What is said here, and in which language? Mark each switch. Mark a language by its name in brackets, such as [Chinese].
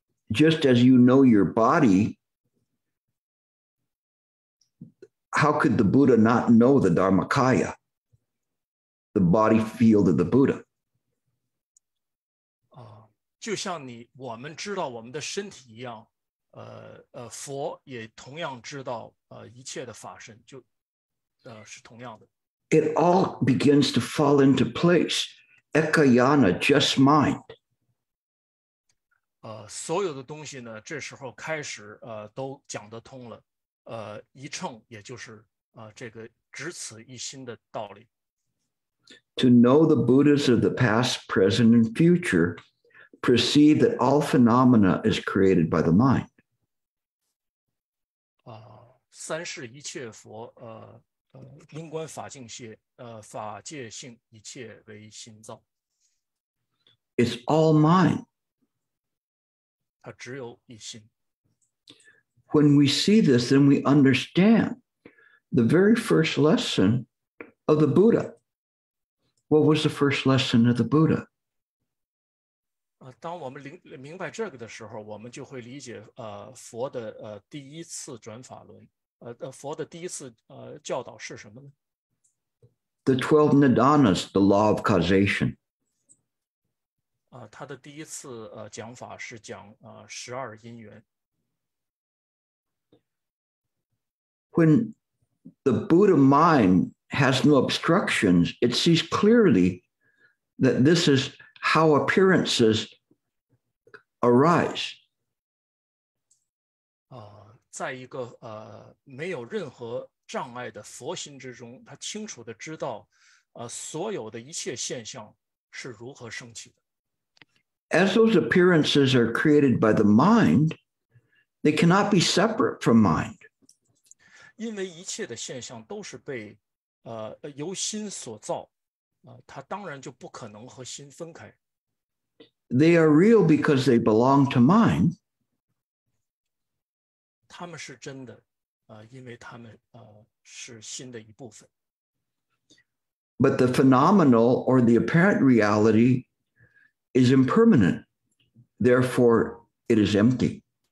[English] Just as you know your body, how could the Buddha not know the Dharmakaya, the body field of the Buddha? [Chinese] 就像你，我们知道我们的身体一样，佛也同样知道一切的法身，就是同样的。 [English] It all begins to fall into place. Ekayana, just mind. [Chinese] 所有的东西呢，这时候开始都讲得通了。一乘，也就是这个只此一心的道理。 [English] To know the Buddhas of the past, present, and future, perceive that all phenomena is created by the mind. [Chinese] 三世一切佛，因观法境界，法界性一切为心造。 [English] It's all mind. [Chinese] 它只有一心。 [English] When we see this, then we understand the very first lesson of the Buddha. What was the first lesson of the Buddha? [Chinese] 当我们明白这个的时候，我们就会理解佛的第一次转法轮，佛的第一次教导是什么呢？ [English] The 12 Nidanas, the law of causation. [Chinese] 他的第一次讲法是讲十二因缘。 [English] When the Buddha mind has no obstructions, it sees clearly that this is how appearances arise. [Chinese] 在一个没有任何障碍的佛心之中，他清楚地知道所有的一切现象是如何升起的。 [English] As those appearances are created by the mind, they cannot be separate from mind. [Chinese] 因为一切的现象都是被由心所造，它当然就不可能和心分开。 [English] They are real because they belong to mind. [Chinese] 它们是真的，因为它们是心的一部分。 [English] But the phenomenal or the apparent realityis impermanent, therefore it is empty.